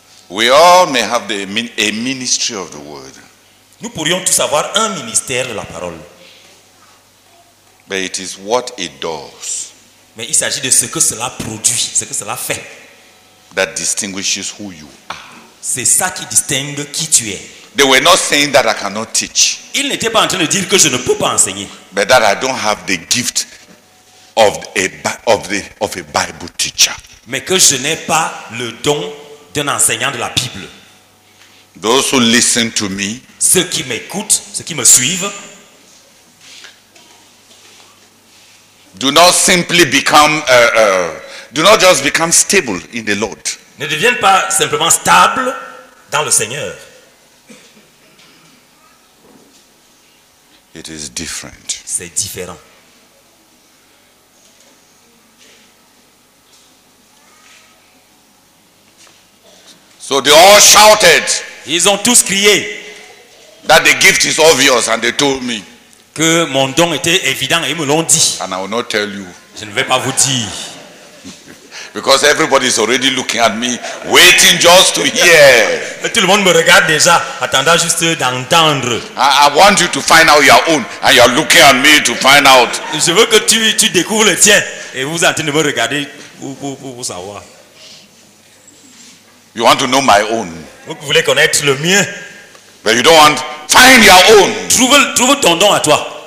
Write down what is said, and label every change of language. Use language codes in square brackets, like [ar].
[en] We all may have a ministry of the word. [fr] Nous pourrions tous avoir un ministère de la parole. [en] But it is what it does. [fr] Mais il s'agit de ce que cela produit, ce que cela fait. [en] That distinguishes who you are. [fr] C'est ça qui distingue qui tu es. [en] They were not saying that I cannot teach. [fr] Ils n'étaient pas en train de dire que je ne peux pas enseigner. [en] But that I don't have the gift of a Bible teacher. [fr] Mais que je n'ai pas le don d'un enseignant de la Bible. [en] Those who listen to me. [fr] Ceux qui m'écoutent, ceux qui me suivent. [en] Do not simply become do not just become stable in the Lord. [fr] Ne deviennent pas simplement stable dans le Seigneur. [en] It is different. [fr] C'est différent. [en] So they all shouted. [fr] Ils ont tous crié. [en] That the gift is obvious and they told me. [fr] Que mon don était évident et ils me l'ont dit. [en] And I will not tell you. [fr] Je ne vais pas vous dire. [en] Because everybody is already looking at me, waiting just to hear. [fr] Et tout le monde me regarde déjà, attendant juste d'entendre. [en] I want you to find out your own, and you are looking at me to find out. [fr] Je veux que tu découvres le tien et vous êtes en train de me regarder pour savoir. [en] You want to know my own. [fr] Vous voulez connaître le mien. [en] But you don't want. Find your own. [fr] Trouve ton don à toi.